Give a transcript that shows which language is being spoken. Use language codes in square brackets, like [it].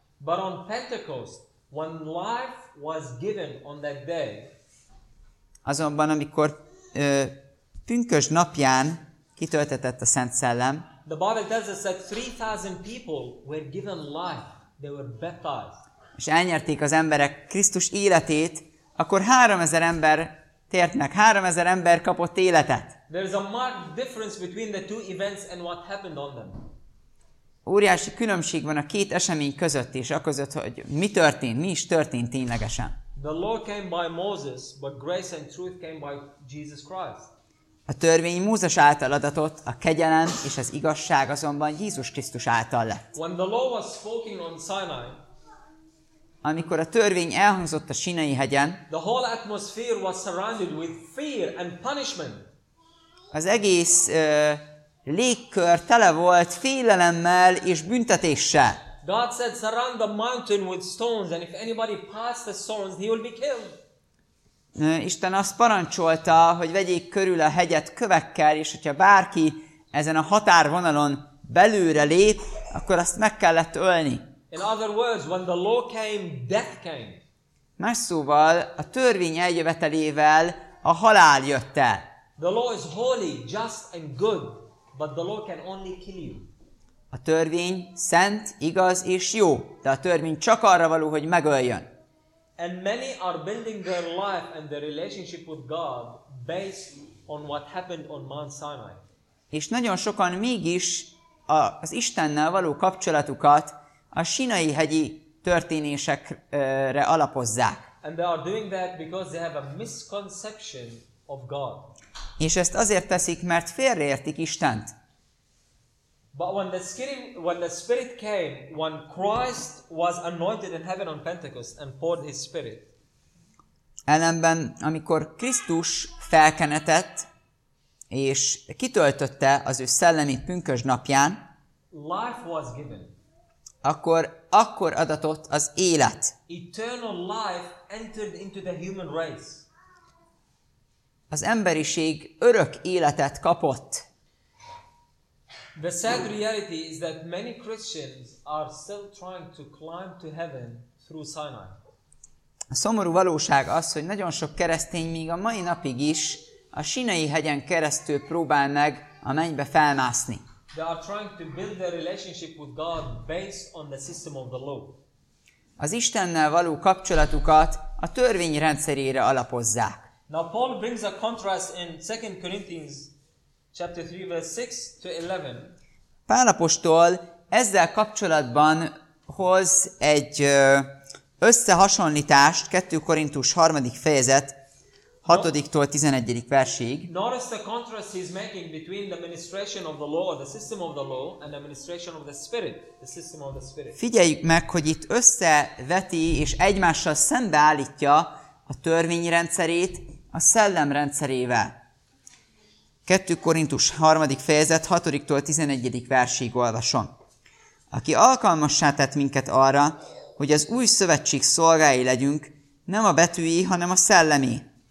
[en] But on Pentecost, when life was given on that day, [hu] azonban amikor Pünkösd napján kitöltetett a Szent Szellem, [en] the Bible tells us that 3,000 people were given life, they were baptized. [hu] És elnyerték az emberek Krisztus életét, akkor 3000 ember tért meg, 3000 ember kapott életet. [en] There is a marked difference between the two events and what happened on them. [hu] Óriási különbség van a két esemény között is, aközött, hogy mi történt, mi is történt ténylegesen. [en] The law came by Moses, but grace and truth came by Jesus Christ. [hu] A törvény Mózes által adatott, a kegyelem és az igazság azonban Jézus Krisztus által lett. [en] When the law was spoken on Sinai, [hu] amikor a törvény elhangzott a Sinai hegyen, [en] the whole atmosphere was surrounded with fear and punishment. [hu] Az egész légkör tele volt félelemmel és büntetéssel. [en] God said, surround the mountain with stones, and if anybody passed the stones, he will be killed. [hu] Isten azt parancsolta, hogy vegyék körül a hegyet kövekkel, és hogyha bárki ezen a határvonalon belülre lép, akkor azt meg kellett ölni. [en] In other words, when the law came, death came. [hu] Más szóval, a törvény eljövetelével a halál jött el. [en] The law is holy, just and good, but the law can only kill you. [hu] A törvény szent, igaz és jó, de a törvény csak arra való, hogy megöljön. [en] And many are building their life and their relationship with God based on what happened on Mount Sinai. [hu] És nagyon sokan mégis az Istennel való kapcsolatukat a Sinai hegyi történésekre alapozzák. [en] And they are doing that because they have a misconception of God. [hu] És ezt azért teszik, mert félreértik Istent. [en] But when the Spirit came, when Christ was anointed in heaven on Pentecost and poured his Spirit. [hu] Ellenben, amikor Krisztus felkenetett és kitöltötte az ő szellemi pünkösd napján, [en] life was given. [hu] Akkor adatott az élet. [en] Eternal life entered into the human race. [hu] Az emberiség örök életet kapott. [en] The sad reality is that many Christians are still trying to climb to heaven through Sinai. [hu] A szomorú valóság az, hogy nagyon sok keresztény még a mai napig is a Sinai hegyen keresztül próbál meg a mennybe felmászni. [en] They are trying to build their relationship with God based on the system of the law. [hu] Az Istennel való kapcsolatukat a törvény rendszerére alapozzák. [en] Now Paul brings a contrast in 2 Corinthians chapter 3 verse 6 to 11. [hu] Pál apostol ezzel kapcsolatban hoz egy összehasonlítást 2 Korintus 3. fejezet 6-tól 11. versig. [en] Notice the contrast he's making between the administration of the law, the system of the law, and the administration of the Spirit, the system of the Spirit. [hu] Figyeljük meg, hogy itt összeveti és egymással szembeállítja a törvényrendszerét a szellem rendszerével. 2 Korintus 3. fejezet 6-tól 11. versig olvasom. Aki alkalmassá tett minket arra, hogy az új szövetség szolgái legyünk, nem a betűi, hanem a szellemi.